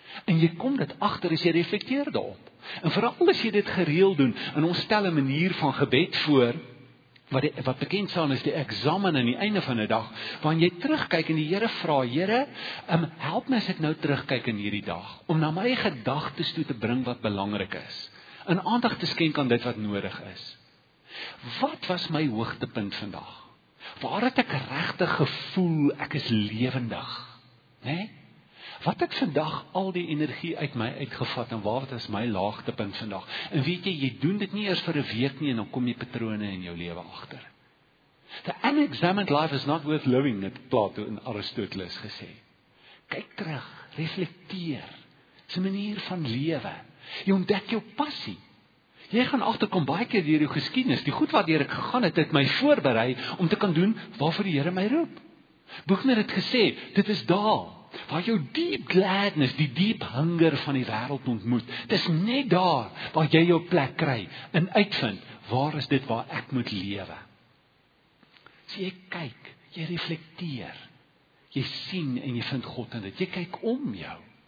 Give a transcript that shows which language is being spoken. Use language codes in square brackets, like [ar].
[af] En jy kom dit agter as jy reflekteer daarop. En veral as jy dit gereeld doen, en ons stel 'n manier van gebed voor wat bekend staan as die eksamen aan die einde van 'n dag, waarin jy terugkyk en die Here vra, Here, help my as ek nou terugkyk in hierdie dag, om na my gedagtes toe te bring wat belangrik is, en aandag te skenk aan dit wat nodig is. Wat was my hoogtepunt vandag? Waar het ek regtig gevoel ek is lewendig? Né? Wat het vandag al die energie uit my uitgevat en waar was my laagtepunt vandag? En weet jy, jy doen dit nie eers vir 'n week nie en dan kom jy patrone in jou lewe agter. [en] The unexamined life is not worth living, [af] het Plato en Aristoteles gesê. Kyk terug, reflekteer. Dis 'n manier van lewe. Jy ontdek jou passie. Jy gaan agterkom baie keer deur jou geskiedenis. Die goed waardeur ek gegaan het, het my voorberei om te kan doen waarvoor die Here my roep. Boekner het gesê, dit is daar waar jou [en] deep gladness, [af] die diep honger van die wêreld ontmoet. Dis net daar waar jy jou plek kry en uitvind, waar is dit waar ek moet lewe? So jy kyk, jy reflekteer. Jy sien en jy vind God in dit. Jy kyk om jou.